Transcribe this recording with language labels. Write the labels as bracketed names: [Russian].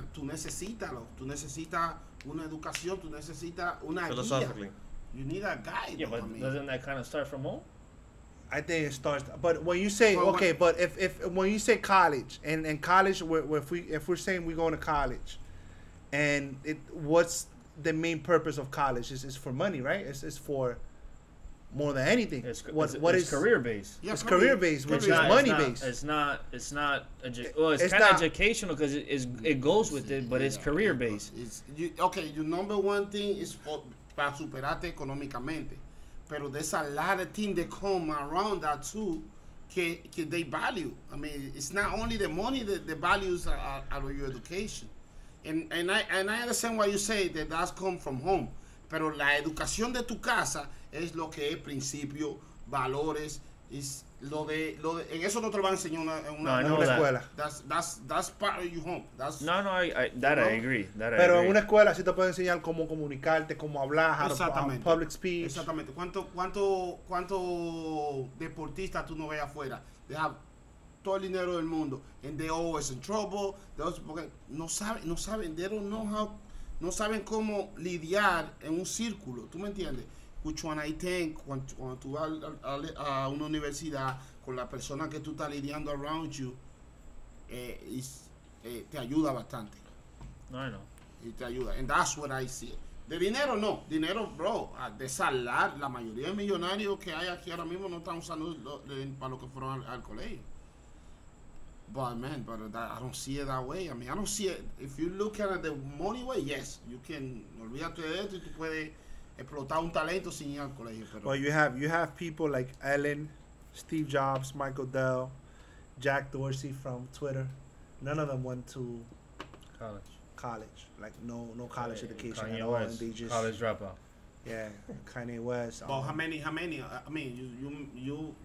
[Spanish] Tú necesitas una educación, tú necesitas una guía. [English] Philosophically. You need a guide. Yeah, but doesn't that kind of start from home? I think it starts, but when you say if when you say college and college, if we're saying we're going to college, and what's the main purpose of college? Is for money, right? It's for more than anything. It's career based. Yeah, it's career based, which is money based. It's not educational because it goes with it, but it's career based. Your number one thing is [Spanish] para superarte económicamente. [English] But there's a lot of things that come around that too, that they value. I mean, it's not only the money that the values are out of your education, and I understand why you say that that's come from home. [Spanish] Pero la educación de tu casa es lo que es principio, valores, es lo de en eso no te lo van a enseñar en una escuela. [English] That's part of your home. That's, I agree. [Spanish] Pero en una escuela sí te pueden enseñar cómo comunicarte, cómo hablar, public speech. Exactamente. ¿Cuánto deportista tú no ves afuera? [English] They have [Spanish] todo el dinero del mundo [English] and they always in trouble. [Spanish] No saben cómo lidiar en un círculo, ¿tú me entiendes? [English] Which one I think, [Spanish] cuando tú vas a una universidad con la persona que tú estás lidiando [English] around you, [Spanish] te ayuda bastante. [English] No, I know. [Spanish] Y te ayuda. [English] And that's what I see. [Spanish] De dinero, no. Dinero, bro, de salar, la mayoría de millonarios que hay aquí ahora mismo no están usando para lo que fueron al colegio. [English] But I don't see it that way. I mean, I don't see it. If you look at it the money way, yes, you can. [Spanish] Olvídate de esto y tú puedes explotar un talento sin ir al colegio. Pero. [English] Well, you have people like Ellen, Steve Jobs, Michael Dell, Jack Dorsey from Twitter. None of them went to college. Like no college education at all. And they just, college dropout. Yeah, Kanye West. But how many? I mean, you.